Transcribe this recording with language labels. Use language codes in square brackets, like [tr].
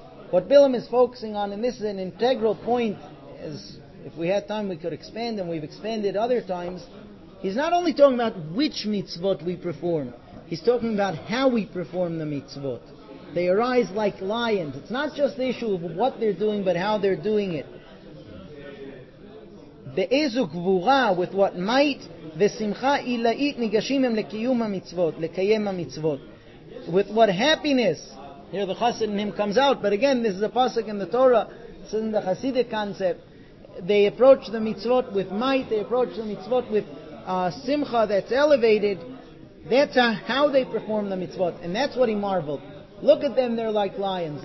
[en] What Bilam is focusing on, and this is an integral point, is if we had time, we could expand, and we've expanded other times. He's not only talking about which mitzvot we perform. He's talking about how we perform the mitzvot. They arise like lions. It's not just the issue of what they're doing, but how they're doing it. [he] באיזו גבורה, [en] with what might, [he] ושמחה אילאית ניגשים הם לקיום המצוות, לקיים המצוות. [en] With what happiness, here the chassid in him comes out, but again, this is a pasuk in the Torah, it's in the Hasidic concept. They approach the mitzvot with might, they approach the mitzvot with simcha that's elevated. That's how they perform the mitzvot, and that's what he marveled. Look at them, they're like lions.